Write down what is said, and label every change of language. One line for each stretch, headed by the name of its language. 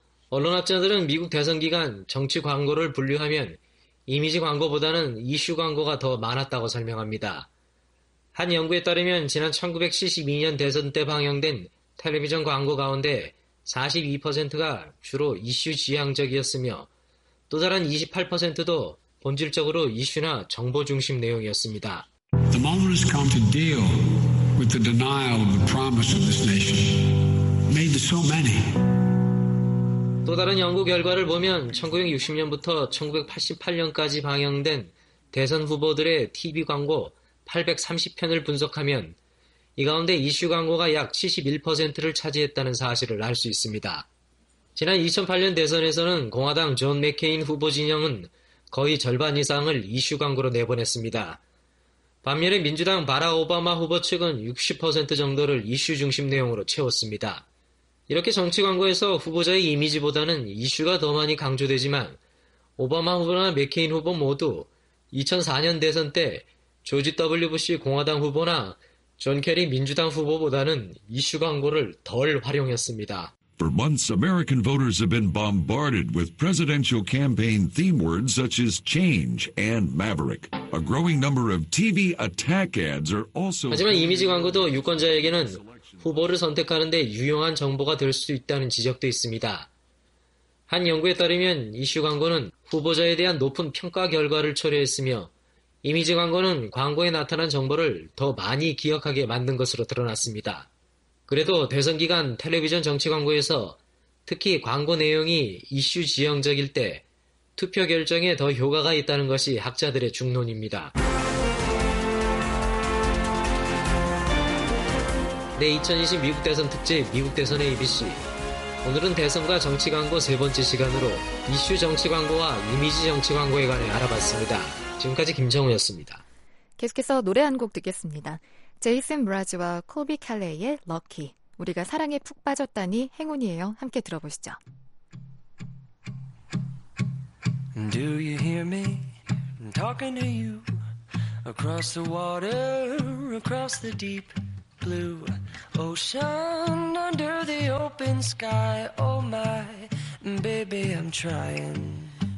Korean: 언론학자들은 미국 대선 기간 정치 광고를 분류하면 이미지 광고보다는 이슈 광고가 더 많았다고 설명합니다. 한 연구에 따르면 지난 1972년 대선 때 방영된 텔레비전 광고 가운데 42%가 주로 이슈 지향적이었으며 또 다른 28%도 본질적으로 이슈나 정보 중심 내용이었습니다.
English: The moment has come to deal with the denial of the promise of this nation made to so many.
Korean: 또 다른 연구 결과를 보면 1960년부터 1988년까지 방영된 대선 후보들의 TV 광고 830편을 분석하면 이 가운데 이슈 광고가 약 71%를 차지했다는 사실을 알 수 있습니다. 지난 2008년 대선에서는 공화당 존 맥케인 후보 진영은 거의 절반 이상을 이슈 광고로 내보냈습니다. 반면에 민주당 바라 오바마 후보 측은 60% 정도를 이슈 중심 내용으로 채웠습니다. 이렇게 정치 광고에서 후보자의 이미지보다는 이슈가 더 많이 강조되지만 오바마 후보나 맥케인 후보 모두 2004년 대선 때 조지 W. 부시 공화당 후보나 존 케리 민주당 후보보다는 이슈 광고를 덜 활용했습니다.
English: For months, American voters have been bombarded with presidential campaign theme words such as change and maverick. A growing number of TV attack ads are also
Korean: 하지만 이미지 광고도 유권자에게는 후보를 선택하는데 유용한 정보가 될 수 있다는 지적도 있습니다. 한 연구에 따르면 이슈 광고는 후보자에 대한 높은 평가 결과를 초래했으며 이미지 광고는 광고에 나타난 정보를 더 많이 기억하게 만든 것으로 드러났습니다. 그래도 대선 기간 텔레비전 정치 광고에서 특히 광고 내용이 이슈 지향적일 때 투표 결정에 더 효과가 있다는 것이 학자들의 중론입니다. 네, 2020 미국 대선 특집 미국 대선의 ABC. 오늘은 대선과 정치 광고 세 번째 시간으로 이슈 정치 광고와 이미지 정치 광고에 관해 알아봤습니다. 지금까지 김정우였습니다. 계속해서 노래 한 곡 듣겠습니다. 제이슨 브라즈와 콜비 칼레이의 Lucky, 우리가 사랑에 푹 빠졌다니 행운이에요. 함께 들어보시죠.
English: Do you hear me talking to you across the water, across the deep blue ocean, under the open sky? Oh my baby, I'm trying.